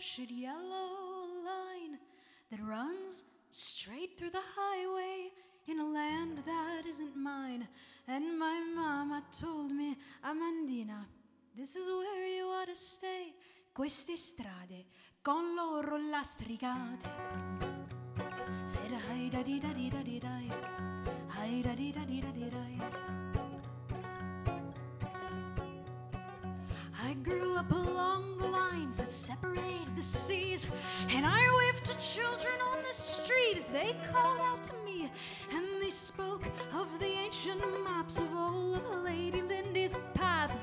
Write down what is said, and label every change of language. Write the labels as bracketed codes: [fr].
[en] Yellow line that runs straight through the highway in a land that isn't mine. And my mama told me, Amandina, this is where you ought to stay. [it] Queste strade con loro lastricate. Said, hi da di da di da di da hi da di da di da di da. [en] I grew up along the lines that separate the seas, and I waved to children on the street as they called out to me, and they spoke of the ancient maps of old Lady Lindy's paths.